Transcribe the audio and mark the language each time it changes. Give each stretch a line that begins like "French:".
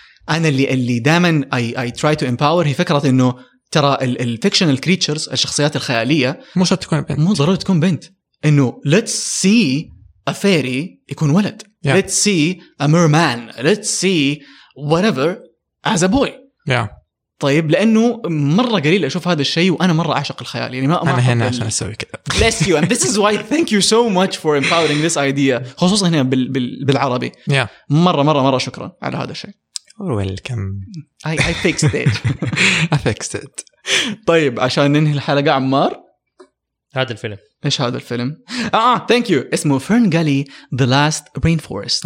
Arabic: أنا اللي دائما
English: I try to empower
Arabic: هي فكرة إنه ترى ال
English: fictional creatures
Arabic: الشخصيات الخيالية مو شرط تكون بنت. مو ضروري تكون بنت. إنه
English: let's see a fairy
Arabic: يكون ولد.
English: Yeah. Let's see a merman. Let's see whatever as a boy. Yeah.
Arabic: طيب لأنه مرة قليل أشوف هذا الشيء وأنا مرة أعشق الخيال. يعني ما أنا هنا عشان أسوي كده.
English: Bless you and this is why thank you so much for empowering this idea.
Arabic: خصوصا هنا بالعربي.
English: Yeah.
Arabic: مرة مرة مرة شكرا على هذا الشيء.
English: You're welcome. I fixed it. I fixed it.
Arabic: طيب عشان ننهي الحلقة عمار. هذا الفيلم. إيش هذا الفيلم؟
English: thank you.
Arabic: اسمه Fern Gully, The Last Rainforest.